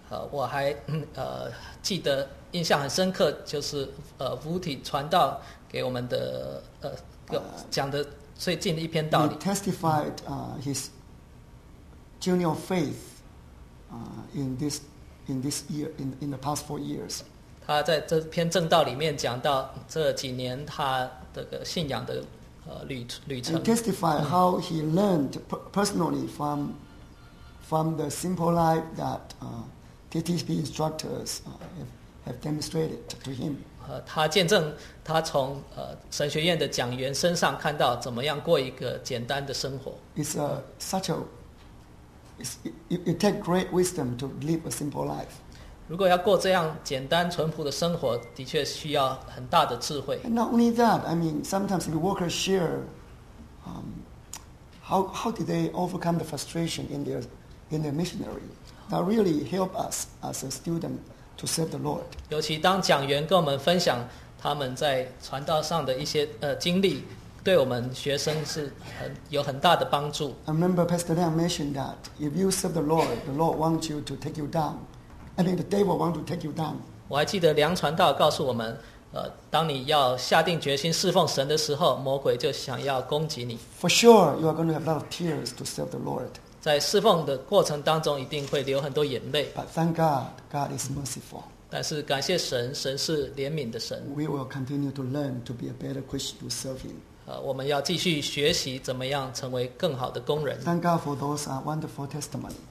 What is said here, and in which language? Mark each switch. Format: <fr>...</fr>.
<zh>我还记得印象很深刻，就是Wooty 传道给我们的讲的最近的一篇道理。</zh> <en>He testified his journey of faith in the past 4 years.</en> <zh>他在这篇正道里面讲到这几年他的信仰的。</zh> <en>And testify how he learned personally from the simple life that TTP instructors have demonstrated to him.</en> <zh>他见证他从神学院的讲员身上看到怎么样过一个简单的生活。</zh> <en>It takes great wisdom to live a simple life.</en> <zh>如果要过这样简单淳朴的生活，的确需要很大的智慧。</zh> <en>And not only that, I mean, sometimes the workers share how did they overcome the frustration in their missionary that really help us as a student to serve the Lord.</en> <zh>尤其当讲员跟我们分享他们在传道上的一些经历，对我们学生是很有很大的帮助。</zh> <en>I remember Pastor Liang mentioned that if you serve the Lord, the Lord wants you to take you down. I mean, the devil wants to take you down.</en> <zh>我还记得梁传道告诉我们，当你要下定决心侍奉神的时候，魔鬼就想要攻击你。</zh> <en>For sure, you are going to have a lot of tears to serve the Lord.</en> <zh>在侍奉的过程当中，一定会流很多眼泪。</zh> <en>But thank God, God is merciful.</en> <zh>但是感谢神，神是怜悯的神。</zh> <en>We will continue to learn to be a better Christian to serve Him.</en> <zh>我们要继续学习怎么样成为更好的工人。</zh> <en>Thank God for those are wonderful testimony.</en>